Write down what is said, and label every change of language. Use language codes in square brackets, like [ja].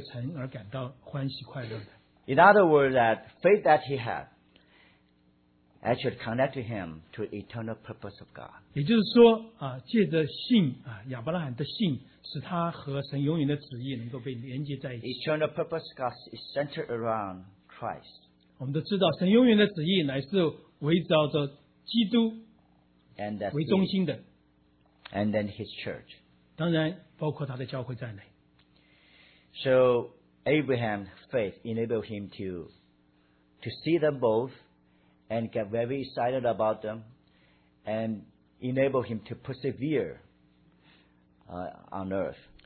[zh] 是因着亚伯拉罕的信,他的信心使他为着这个城而感到欢喜快乐的。 [en] In other words, that faith that he had actually connect to him to the eternal purpose of God. [zh] 也就是说,借着信,亚伯拉罕的信,使他和神永远的旨意能够被连接在一起。 [en] Eternal purpose of God is centered around Christ. [zh] 我们都知道,神永远的旨意乃是围绕着基督为中心的。 [en] And then his church. [zh] 当然,包括他的教会在内。 [en] So, Abraham's faith enabled him to see them both, and get very excited about them, and enable him to persevere on earth.